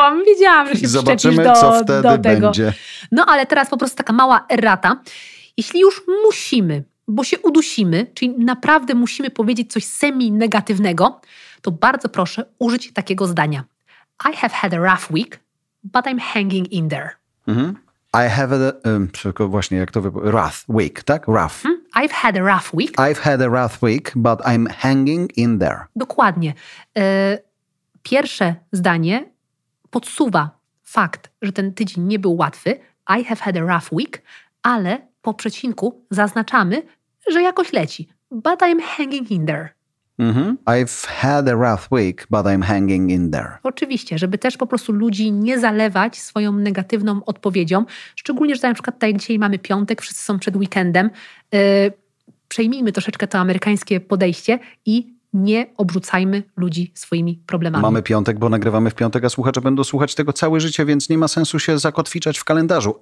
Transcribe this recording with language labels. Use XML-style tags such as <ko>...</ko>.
<pl>Wiedziałam, że się przyczepisz do tego. Zobaczymy, co wtedy będzie. No ale teraz po prostu taka mała errata. Jeśli już musimy, bo się udusimy, czyli naprawdę musimy powiedzieć coś semi-negatywnego, to bardzo proszę użyć takiego zdania.</pl> <en>I have had a rough week, but I'm hanging in there. Mm-hmm. I have a...</en> <pl>tylko właśnie, jak to rough week, tak?</pl> <en>Rough. Hmm? I've had a rough week. I've had a rough week, but I'm hanging in there.</en> <pl>Dokładnie. Pierwsze zdanie podsuwa fakt, że ten tydzień nie był łatwy.</pl> <en>I have had a rough week,</en> <pl>ale po przecinku zaznaczamy, że jakoś leci.</pl> <en>But I'm hanging in there. Mm-hmm. I've had a rough week, but I'm hanging in there.</en> <pl>Oczywiście, żeby też po prostu ludzi nie zalewać swoją negatywną odpowiedzią. Szczególnie, że na przykład tutaj dzisiaj mamy piątek, wszyscy są przed weekendem. Przejmijmy troszeczkę to amerykańskie podejście i nie obrzucajmy ludzi swoimi problemami. Mamy piątek, bo nagrywamy w piątek, a słuchacze będą słuchać tego całe życie, więc nie ma sensu się zakotwiczać w kalendarzu.</pl>